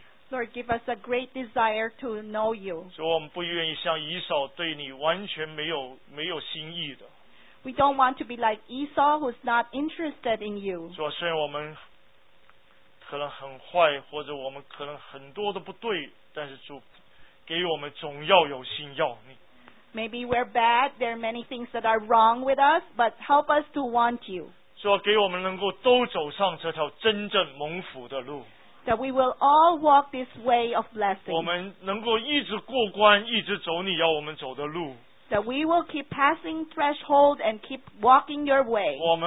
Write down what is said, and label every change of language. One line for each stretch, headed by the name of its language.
English: Lord, give us a great desire to know you.
Chinese: 主，我们不愿意像以扫对你完全没有心意的。
English: We don't want to be like Esau, who's not interested in you.
Chinese: 主，虽然我们可能很坏，或者我们可能很多都不对，但是主，给我们总要有心要你。
English: Maybe we're bad, there are many things that are wrong with us, but help us to want you.
Chinese: 主，给我们能够都走上这条真正蒙福的路。
English: That we will all walk this way of blessing.
Chinese: 我们能够一直过关, 一直走你要我们走的路。
English: That we will keep passing threshold and keep walking your way.